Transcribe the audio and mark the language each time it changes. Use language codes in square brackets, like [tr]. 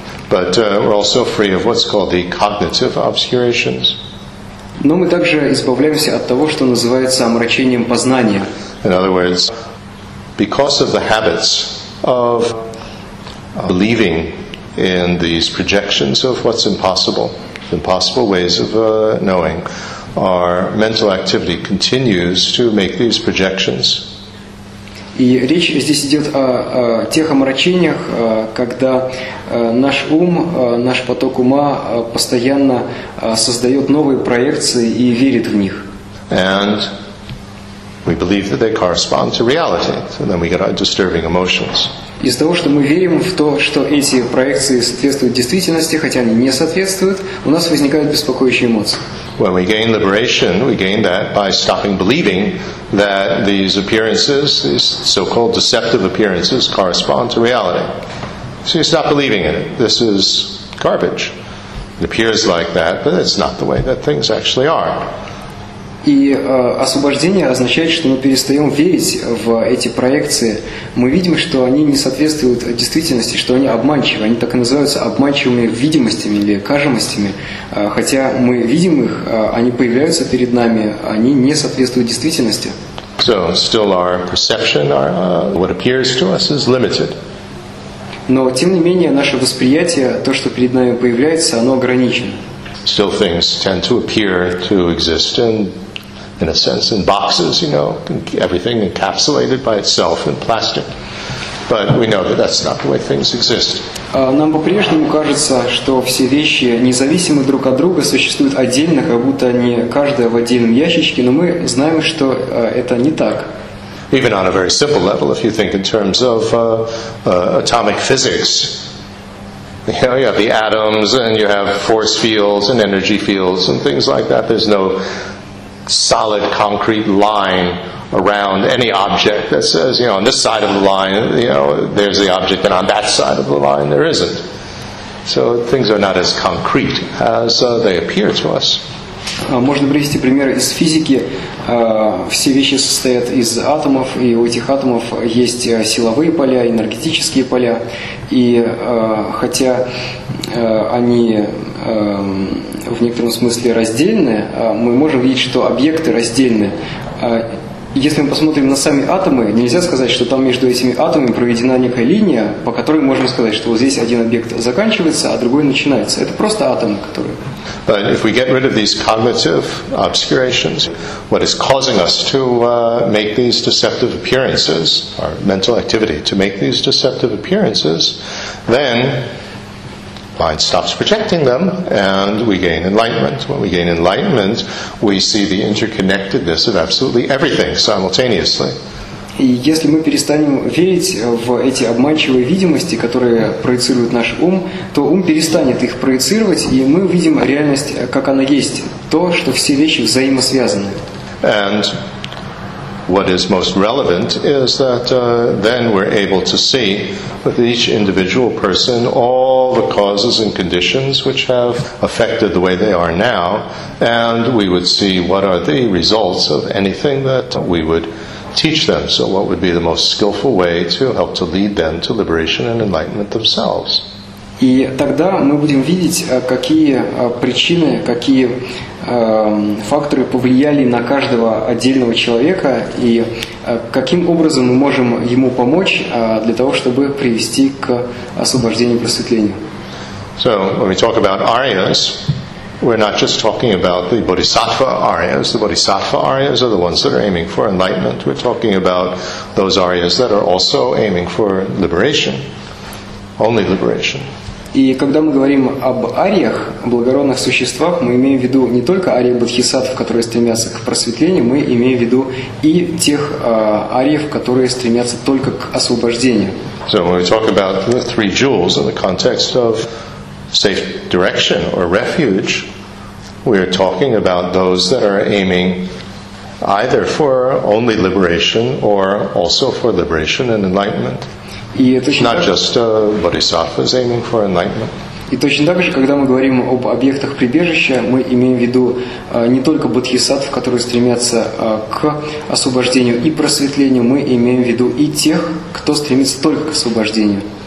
[en] But we're also free of what's called the cognitive obscurations. [ru] Но мы также избавляемся от того, что называется омрачением познания. [en] In other words, because of the habits of believing in these projections of what's impossible, impossible ways of knowing, our mental activity continues to make these projections. [ru] И речь здесь идет о тех омрачениях, когда наш ум, наш поток ума постоянно создает новые проекции и верит в них. [en] And we believe that they correspond to reality, so then we get our disturbing emotions. [ru] Из-за того, что мы верим в то, что эти проекции соответствуют действительности, хотя они не соответствуют, у нас возникают беспокоящие эмоции. [en] When we gain liberation, we gain that by stopping believing that these appearances, these so-called deceptive appearances, correspond to reality. So you stop believing in it. This is garbage. It appears like that, but it's not the way that things actually are. [ru] И освобождение означает, что мы перестаем верить в эти проекции. Мы видим, что они не соответствуют действительности, что они обманчивы. Они так и называются обманчивыми видимостями или кажимостями. Хотя мы видим их, они появляются перед нами, они не соответствуют действительности. [en] So, still our perception, our, what appears to us, is limited. [ru] Но, тем не менее, наше восприятие, то, что перед нами появляется, оно ограничено. [en] Still things tend to appear to exist in a sense, in boxes, you know, everything encapsulated by itself in plastic. But we know that that's not the way things exist. [ru] Нам по-прежнему кажется, что все вещи независимы друг от друга, существуют отдельно, как будто они каждая в отдельном ящичке, но мы знаем, что это не так. [en] Even on a very simple level, if you think in terms of atomic physics, you know, you have the atoms, and you have force fields, and energy fields, and things like that. There's no solid concrete line around any object that says, you know, on this side of the line, you know, there's the object, and on that side of the line, there isn't. So things are not as concrete as they appear to us. [ru] Можно привести пример из физики. Все вещи состоят из атомов, и у этих атомов есть силовые поля, энергетические поля. И хотя они в некотором смысле раздельны, мы можем видеть, что объекты раздельны. Если мы посмотрим на сами атомы, нельзя сказать, что там между этими атомами проведена некая линия, по которой мы можем сказать, что вот здесь один объект заканчивается, а другой начинается. Это просто атомы, которые... [en] But if we get rid of these cognitive obscurations, what is causing us to make these deceptive appearances, our mental activity, to make these deceptive appearances, then mind stops projecting them and we gain enlightenment. When we gain enlightenment, we see the interconnectedness of absolutely everything simultaneously. [ru] И если мы перестанем верить в эти обманчивые видимости, которые проецирует наш ум, то ум перестанет их проецировать, и мы увидим реальность, как она есть, то, что все вещи взаимосвязаны. [en] And what is most relevant is that then we're able to see with each individual person all the causes and conditions which have affected the way they are now, and we would see what are the results of anything that we would teach them, so what would be the most skillful way to help to lead them to liberation and enlightenment themselves. [ru] И тогда мы будем видеть, какие причины, какие факторы повлияли на каждого отдельного человека и каким образом мы можем ему помочь для того, чтобы привести к освобождению и просветлению. [en] So, when we talk about Aryas, we're not just talking about the bodhisattva aryas. The bodhisattva aryas are the ones that are aiming for enlightenment. We're talking about those aryas that are also aiming for liberation, only liberation. [ru] И когда мы говорим об ариях, о благородных существах, мы имеем в виду не только арии бодхисаттв, которые стремятся к просветлению, мы имеем в виду и тех ариев, которые стремятся только к освобождению. [en] So when we talk about the three jewels in the context of safe direction or refuge, we are talking about those that are aiming either for only liberation or also for liberation and enlightenment. Not just bodhisattvas aiming for enlightenment. [ru] И точно так же, когда мы говорим об объектах прибежища, мы имеем в виду не только бодхисаттв, которые стремятся к освобождению и просветлению, мы имеем в виду и тех, кто стремится только к освобождению.